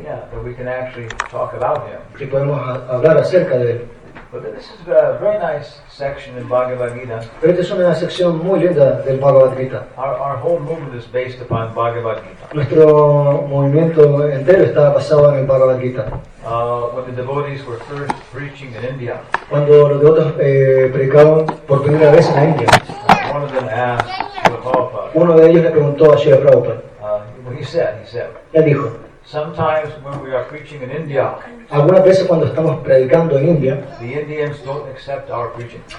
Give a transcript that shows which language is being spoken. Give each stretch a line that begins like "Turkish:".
English: Yeah, that we can actually talk about Him.
Spanish: Que podemos hablar acerca de él.
English: But this is a very nice section in Bhagavad Gita.
Spanish: Pero esta es una sección muy linda del Bhagavad Gita.
English: Our whole movement is based upon Bhagavad Gita.
Spanish: Nuestro movimiento entero está basado en el Bhagavad Gita.
English: When the devotees were first preaching in India,
Spanish: cuando los devotos predicaban por primera vez en la India,
English: one of them asked,
Spanish: uno de ellos le preguntó a Srila Prabhupada.
English: He said,
Spanish: él dijo,
English: sometimes when we are preaching in India,
Spanish: algunas veces cuando estamos predicando en India,
English: the Indians don't accept our preaching.